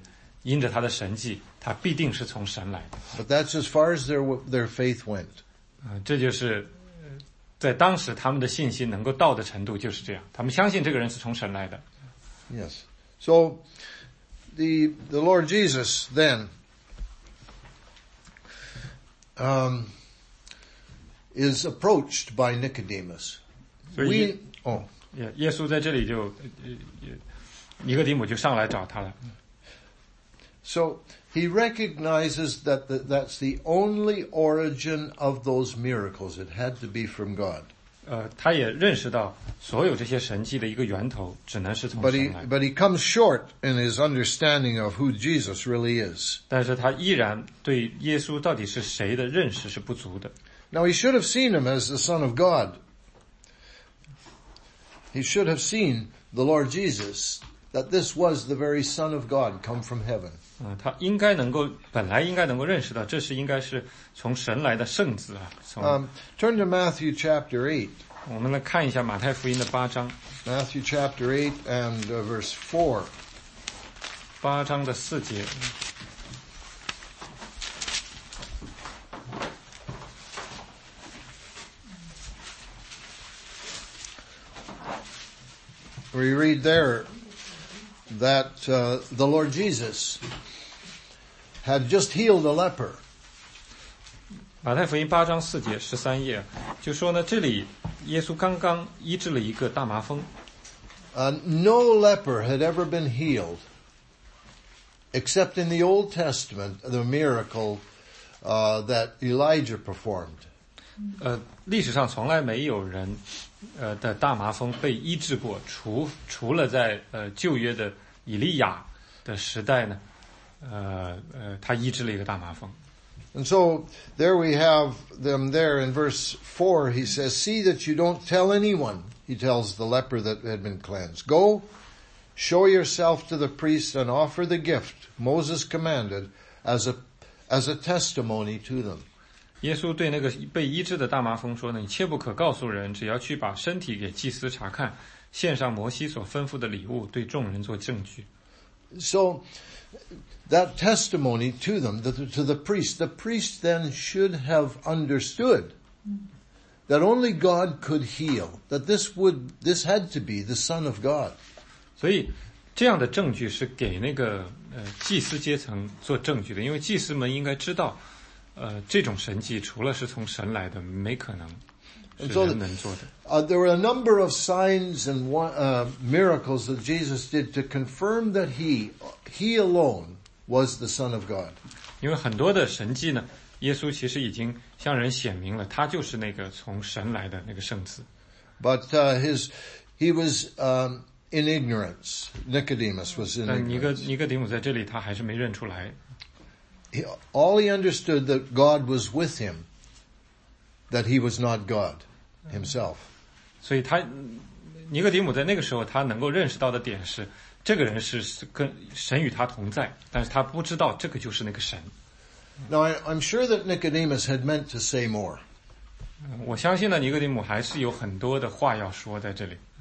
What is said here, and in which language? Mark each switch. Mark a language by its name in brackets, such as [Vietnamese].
[Chinese] 但是呢，对于一些诚实的人啊，在当时，即便他是一个官长，他是一个法利赛人，他也依然认识到呢，不管怎样，这个人因着他的神迹，他必定是从神来的。 [English] But that's as far as their faith went. [Chinese] 这就是在当时他们的信心能够到的程度，就是这样，他们相信这个人是从神来的。 [English] Yes. So the Lord Jesus then is approached by Nicodemus. So he recognizes that that's the only origin of those miracles. It had to be from God. [Chinese] 他也认识到所有这些神迹的一个源头只能是从神来。 [English] But he comes short in his understanding of who Jesus really is. [Chinese] 但是他依然对耶稣到底是谁的认识是不足的。 [English] Now he should have seen him as the Son of God. He should have seen the Lord Jesus, that this was the very Son of God come from heaven. [Chinese] 他应该能够本来应该能够认识到这是应该是从神来的圣子啊。 [English] Turn to Matthew chapter 8. [Chinese] 我们来看一下马太福音的八章。 [English] Matthew chapter 8 and verse 4. [Chinese] 八章的四节。 [English] We read there that the Lord Jesus had just healed a leper. [Chinese] 马太福音八章四节十三页就说呢，这里耶稣刚刚医治了一个大麻风。 [English] No leper had ever been healed, except in the Old Testament, the miracle that Elijah performed. [Chinese] 历史上从来没有人。的大麻风被医治过 除了在旧约的以利亚的时代呢他医治了一个大麻风。 [English] And so, there we have them there in verse 4, he says, see that you don't tell anyone, he tells the leper that had been cleansed. Go, show yourself to the priest and offer the gift Moses commanded as a testimony to them. [Chinese] 耶稣对那个被医治的大麻风说呢，你切不可告诉人，只要去把身体给祭司查看，献上摩西所吩咐的礼物，对众人做证据。 [English] So, that testimony to them, to the priest then should have understood that only God could heal, that this had to be the Son of God. [Chinese] 所以这样的证据是给那个祭司阶层做证据的，因为祭司们应该知道这种神迹除了是从神来的没可能是人能做的。 [English] There were a number of signs and miracles that Jesus did to confirm that he alone was the Son of God. [Chinese] 因为很多的神迹呢耶稣其实已经向人显明了他就是那个从神来的那个圣子。 [English] But he was in ignorance. Nicodemus was in ignorance. [Chinese] 尼哥底母在这里他还是没认出来。 [English] All he understood that God was with him, that he was not God himself. [Chinese] 所以他尼哥底母在那个时候他能够认识到的点是这个人是跟神与他同在但是他不知道这个就是那个神。 [English] Now I'm sure that Nicodemus had meant to say more. [Chinese] 我相信呢尼哥底母还是有很多的话要说在这里。